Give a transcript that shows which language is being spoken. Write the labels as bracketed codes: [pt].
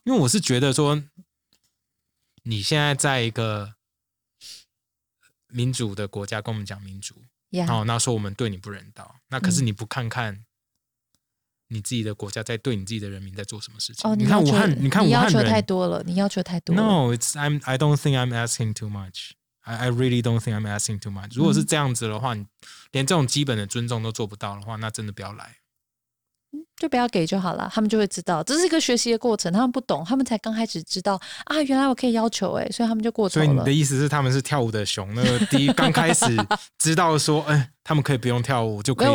[zh] 因为我是觉得说，你现在在一个民主的国家跟我们讲民主， [en] yeah. [zh] 然后那说我们对你不人道，那可是你不看看你自己的国家在对你自己的人民在做什么事情？哦，你看武汉，你看武汉人，你要求太多了，你要求太多了。 [en] No, I don't think I'm asking too much. I really don't think I'm asking too much. [zh] 如果是这样子的话，你连这种基本的尊重都做不到的话，那真的不要来，就不要给就好了。他们就会知道，这是一个学习的过程。他们不懂，他们才刚开始知道啊，原来我可以要求，欸，所以他们就过头了。所以你的意思是，他们是跳舞的熊，那个第一刚开始知道说，他们可以不用跳舞就可以吃饭。